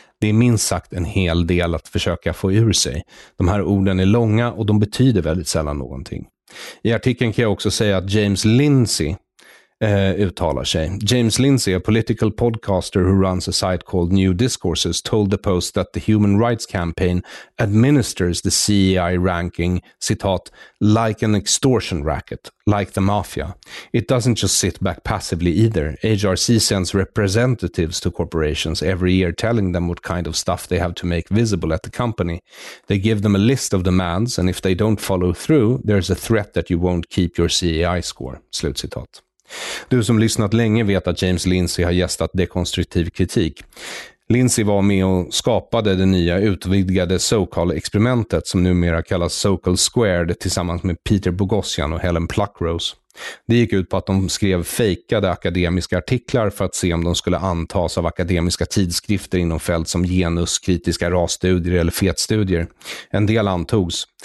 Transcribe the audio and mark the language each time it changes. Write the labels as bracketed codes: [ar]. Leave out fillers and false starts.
[sv] Det är minst sagt en hel del att försöka få ur sig. De här orden är långa och de betyder väldigt sällan någonting. I artikeln kan jag också säga att James Lindsay uttalar sig. [en] James Lindsay, a political podcaster who runs a site called New Discourses, told the Post that the Human Rights Campaign administers the CEI ranking, citat, like an extortion racket, like the mafia. It doesn't just sit back passively either. HRC sends representatives to corporations every year telling them what kind of stuff they have to make visible at the company. They give them a list of demands, and if they don't follow through, there's a threat that you won't keep your CEI score, slutcitat. [sv] Du som lyssnat länge vet att James Lindsay har gästat dekonstruktiv kritik. Lindsay var med och skapade det nya utvidgade SoCal-experimentet som numera kallas SoCal Squared tillsammans med Peter Boghossian och Helen Pluckrose. Det gick ut på att de skrev fejkade akademiska artiklar för att se om de skulle antas av akademiska tidskrifter inom fält som genus, kritiska rasstudier eller fetstudier. En del antogs.